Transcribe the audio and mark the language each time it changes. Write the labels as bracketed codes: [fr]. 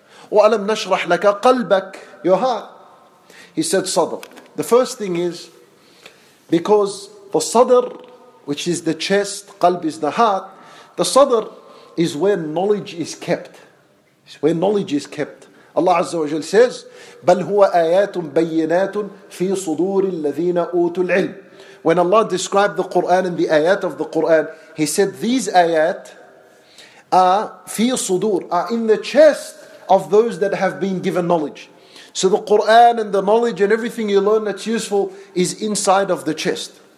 [en] Or Alam nashrah laka qalbak, your heart? He said sadr. The first thing is, because the sadr, which is the chest, qalb is the heart, the sadr is where knowledge is kept. It's where knowledge is kept. Allah Azza wa Jal says, [ar] بَلْ هُوَ آيَاتٌ بَيِّنَاتٌ فِي صُدُورِ الَّذِينَ أُوتُوا الْعِلْمِ. [en] When Allah described the Qur'an and the ayat of the Qur'an, He said, these ayat are in the chest of those that have been given knowledge. So the Qur'an and the knowledge and everything you learn that's useful is inside of the chest.